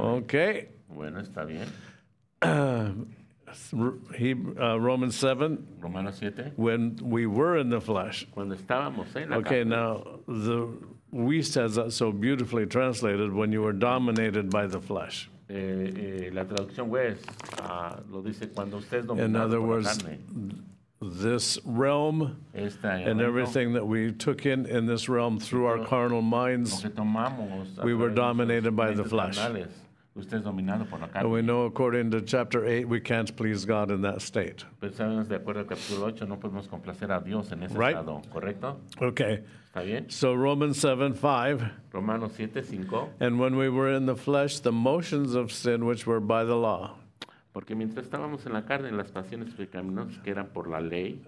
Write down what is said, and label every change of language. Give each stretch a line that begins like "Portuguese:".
English: Okay.
Spanish: Bueno, está bien.
English: Romans 7.
Spanish: Romanos 7.
English: When we were in the flesh.
Spanish: Cuando estábamos en la
English: okay,
Spanish: carne.
English: Now the we says that so beautifully translated when you were dominated by the flesh.
Spanish: La traducción pues, lo dice cuando usted es dominado
English: in other words, this realm and everything that we took in this realm through our carnal minds, we were dominated by the flesh.
Spanish: Usted es dominado por la carne.
English: And we know according to chapter 8, we can't please God in that state.
Spanish: Pero sabemos de acuerdo al capítulo 8, no podemos complacer a Dios en ese
English: right?
Spanish: estado, ¿correcto?
English: Okay.
Spanish: ¿Está bien?
English: So Romans 7, 5.
Spanish: Romanos 7, 5.
English: And when we were in the flesh, the motions of sin which were by the law.
Spanish: Porque mientras estábamos en la carne, las pasiones pecaminosas que eran por la ley.